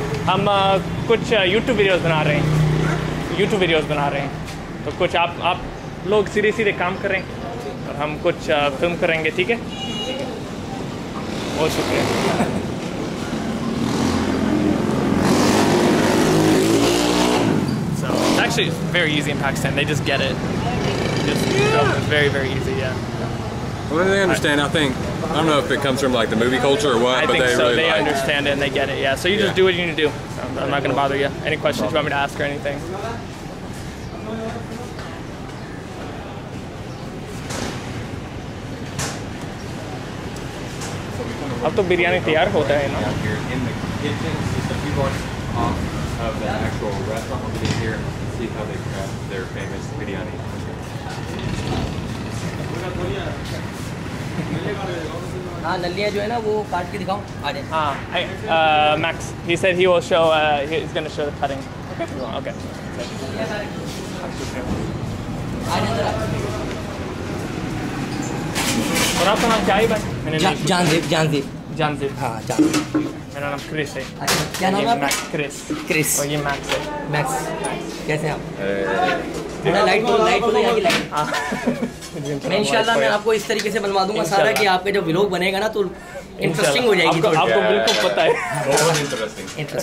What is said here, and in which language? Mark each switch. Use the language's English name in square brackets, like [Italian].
[Hindi] हम कुछ YouTube videos बना रहे हैं YouTube वीडियोस बना रहे हैं तो कुछ आप लोग सीधे सीधे काम करें और हम कुछ फिल्म करेंगे ठीक है बहुत शुक्रिया [English] So it's actually very easy in Pakistan they just get it just very very easy yeah What do they understand? I think, I don't know if it comes from like the movie culture or what, I but they so. Really they like they understand it and they get it, yeah. So you just do what you need to do. I'm not going to bother you. Any questions you want me to ask or anything? Now the biryani is ready, right? Here in the kitchen, so some people are off of the actual restaurant over here and see how they craft their famous biryani. [Hindi] हाँ नलियाँ जो है ना वो काट के दिखाऊं आज [English] हाँ Max he said he will show he's gonna show the cutting okay [Hindi] और आपका नाम क्या है भाई जानदीप हाँ जानदीप मेरा नाम क्रिस है क्या नाम है क्रिस और ये Max है Max कैसे हैं मैं इंशाल्लाह मैं आपको इस तरीके से बनवा दूंगा सारा कि आपके जो व्लॉग बनेगा ना तो इंटरेस्टिंग हो जाएगी आपको आपको बिल्कुल पता है